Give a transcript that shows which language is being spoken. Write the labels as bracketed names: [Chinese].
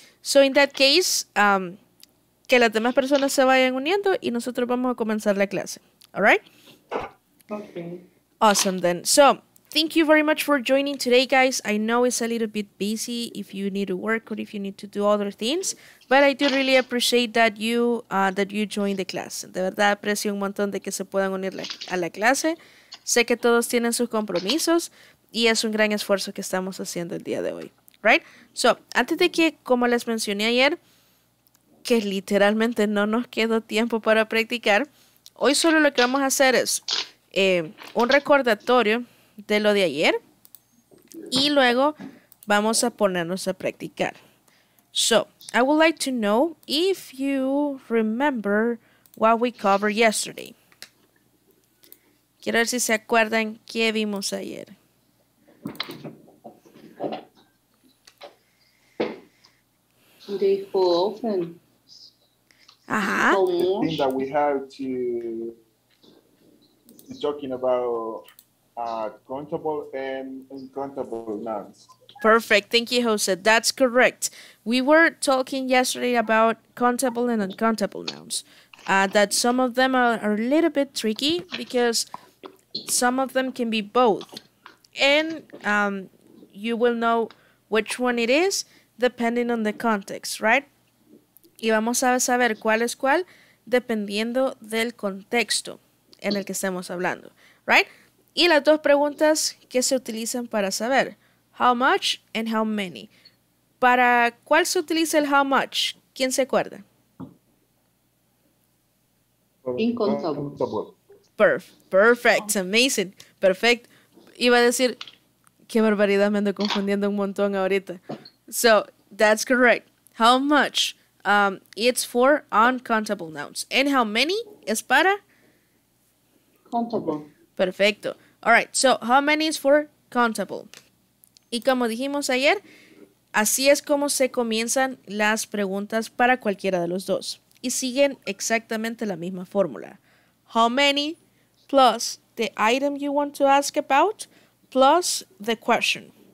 [Spanish] So in that case, que las demás personas se vayan uniendo y nosotros vamos a comenzar la clase. All right. [English] Okay. Awesome then. So thank you very much for joining today, guys. I know it's a little bit busy if you need to work or if you need to do other things, but I do really appreciate that you joined the class. [Spanish] De verdad aprecio un montón de que se puedan unir a la clase. Sé que todos tienen sus compromisos y es un gran esfuerzo que estamos haciendo el día de hoy, right? So, antes de que, como les mencioné ayer, que literalmente no nos quedó tiempo para practicar, hoy solo lo que vamos a hacer es un recordatorio de lo de ayer y luego vamos a ponernos a practicar. [English] So, I would like to know if you remember what we covered yesterday. [Spanish] Quiero ver si se acuerdan qué vimos ayer. [English] They fall often. Ajá. How The thing much? that we have to is talking about countable and uncountable nouns. Perfect. Thank you, Jose. That's correct. We were talking yesterday about countable and uncountable nouns. That some of them are a little bit tricky because some of them can be both. And you will know which one it is depending on the context, right? [Spanish] Y vamos a saber cuál es cuál dependiendo del contexto en el que estemos hablando, [English] right? [Spanish] Y las dos preguntas que se utilizan para saber, [English] how much and how many. [Spanish] ¿Para cuál se utiliza el how much? ¿Quién se acuerda? Incontables. [English] Perfect, amazing, perfect. [Spanish] Iba a decir, qué barbaridad, me ando confundiendo un montón ahorita. [English] So, that's correct. How much? It's for uncountable nouns. And how many [Spanish] es para? Contable. Perfecto. [English] All right, so how many is for countable? [Spanish] Y como dijimos ayer, así es como se comienzan las preguntas para cualquiera de los dos. Y siguen exactamente la misma fórmula. [English] How many plus the item you want to ask about plus the question.